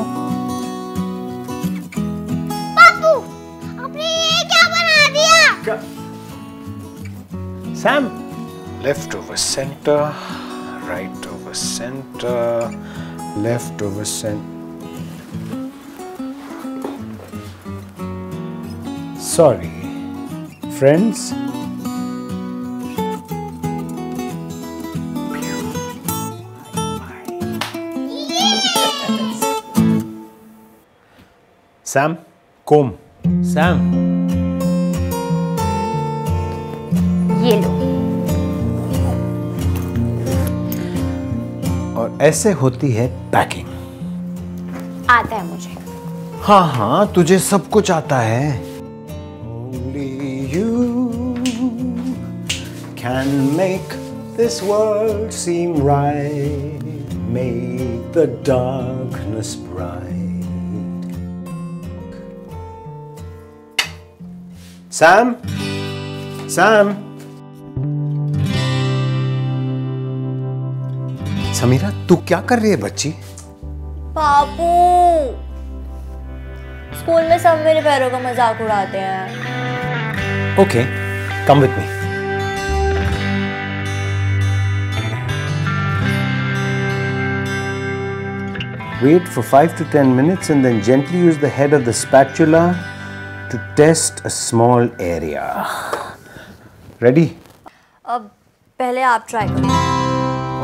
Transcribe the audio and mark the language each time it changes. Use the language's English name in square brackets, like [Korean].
[Hindi] पापू, आपने ये क्या बना दिया? Sam, [English] Left over centre, right over centre, left over centre. Sorry friends, Sam, comb. Sam, [Hindi] ये लो। और ऐसे होती है पैकिंग। आता है मुझे। हाँ हाँ, तुझे सब कुछ आता है। [English] Only you can make this world seem right, make the darkness bright. Sam? Sam? [Hindi] Samira, तू क्या कर रही है बच्ची? पापू, स्कूल में सब मेरे पैरों का मजाक उड़ाते हैं। [English] Okay, come with me. Wait for 5 to 10 minutes and then gently use the head of the spatula to test a small area. Ready? [Hindi] अब पहले आप try करो।